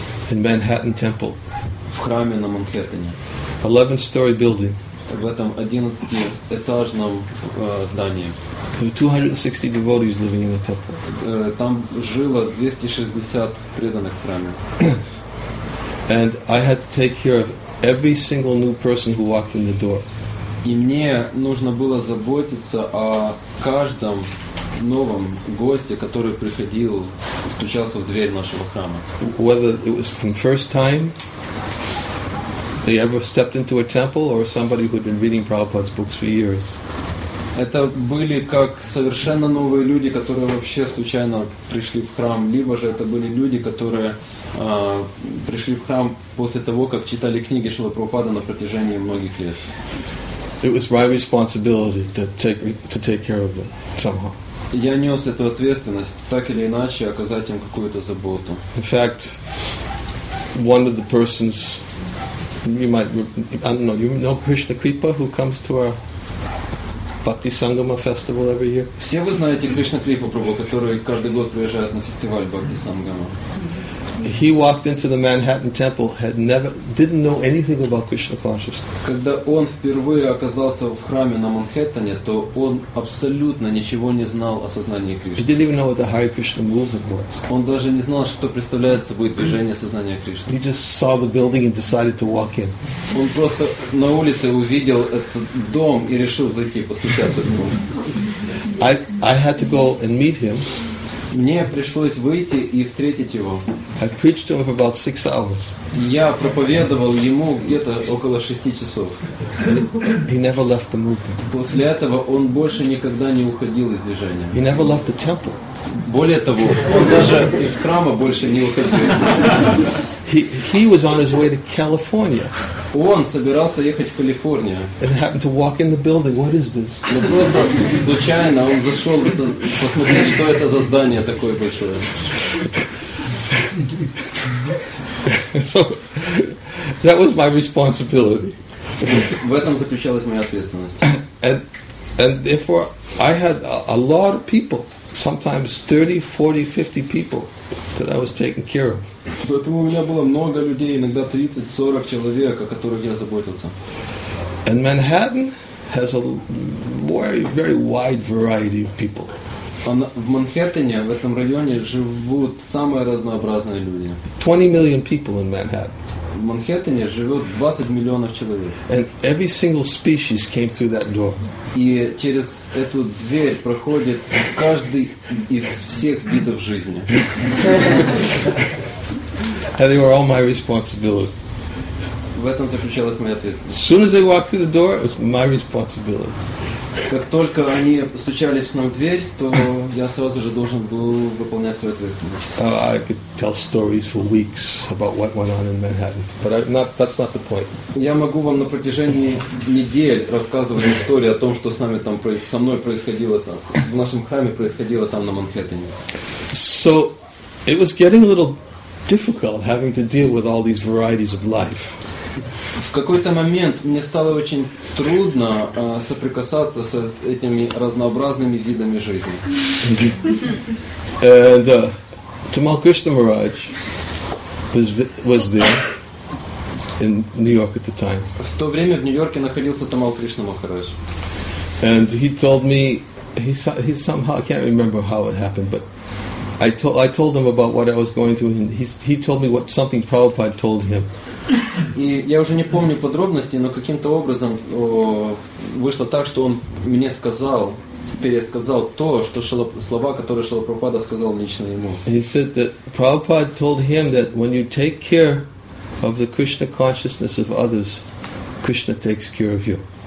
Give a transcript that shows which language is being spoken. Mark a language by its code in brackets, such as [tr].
[en] In Manhattan Temple. [ru] В храме на Манхэттене. [en] 11-story building. [ru] В этом 11-этажном здании. [en] There were 260 devotees living in the temple. [ru] Там жило 260 преданных в храме. [en] And I had to take care of every single new person who walked in the door. [ru] И мне нужно было заботиться о каждом новом госте, который приходил, стучался в дверь нашего храма. [en] Whether it was from first time They ever stepped into a temple or somebody who had been reading Prabhupada's books for years? [ru] Это были как совершенно новые люди, которые вообще случайно пришли в храм, либо же это были люди, которые пришли в храм после того, как читали книги Шрилы Прабхупады на протяжении многих лет. [en] It was my responsibility to take care of them somehow. [ru] Я нес эту ответственность, так или иначе, оказать им какую-то заботу. [en] In fact, one of the persons, you know Krishna Kripa, who comes to our Bhakti Sangama festival every year? [ru] Все вы знаете Кришна Крипу Прабху, который каждый год приезжает на фестиваль Бхакти Сангама. [en] He walked into the Manhattan Temple, didn't know anything about Krishna consciousness. [ru] Когда он впервые оказался в храме на Манхэттене, то он абсолютно ничего не знал о сознании Кришны. [en] He didn't even know what the Hare Krishna movement was. [ru] Он даже не знал, что представляет собой движение сознания Кришны. [en] He just saw the building and decided to walk in. [ru] Он просто на улице увидел этот дом и решил зайти постучаться в него. [en] I had to go and meet him. [ru] Мне пришлось выйти и встретить его. [en] I preached to him for about 6 hours. [ru] Я проповедовал ему где-то около 6 часов. [en] He never left the movement. [ru] После этого он больше никогда не уходил из движения. [en] He never left the temple. [ru] Более того, он даже из храма больше не уходил. [en] He was on his way to California. [ru] Он собирался ехать в Калифорнию. [en] And happened to walk in the building. What is this? [ru] Но просто случайно он зашел посмотреть, что это за здание такое большое. [en] So that was my responsibility. [ru] В этом заключалась моя ответственность. [en] And therefore I had a lot of people, sometimes 30, 40, 50 people that I was taking care of. [ru] Поэтому у меня было много людей, иногда 30-40 человек, о которых я заботился. [en] And Manhattan has a very, very wide variety of people. [ru] В Манхэттене, в этом районе, живут самые разнообразные люди. [en] 20 million people in Manhattan. [ru] В Манхэттене живет 20 миллионов человек. [en] And every single species came through that door. [ru] И через эту дверь проходит каждый из всех видов жизни. [en] And they were all my responsibility. [ru] В этом заключалась моя ответственность. [en] As soon as they walked through the door, it was my responsibility. [ru] Как только они стучались к нам в дверь, то я сразу же должен был выполнять свою ответственность. [en] I could tell stories for weeks about what went on in Manhattan, but that's not the point. [ru] Я могу вам на протяжении недель рассказывать истории о том, что с нами там со мной происходило там в нашем храме происходило там на Манхэттене. [en] So it was getting a little difficult having to deal with all these varieties of life. [ru] В какой-то момент мне стало очень трудно соприкасаться с этими разнообразными видами жизни. [en] And Tamal Krishna Maharaj was there in New York at the time. [ru] В то время в Нью-Йорке находился Тамал Кришна Махарадж. [en] And he told me he somehow, I can't remember how it happened, but I told him about what I was going through, and he told me what something Prabhupada told him. [ru] И я уже не помню подробностей, но каким-то образом вышло так, что он мне сказал, пересказал то, что слова, которые Шрила Прабхупада сказал лично ему. [en] He said that Prabhupada told him that when you take care of the Krishna consciousness of others, Krishna takes care of you.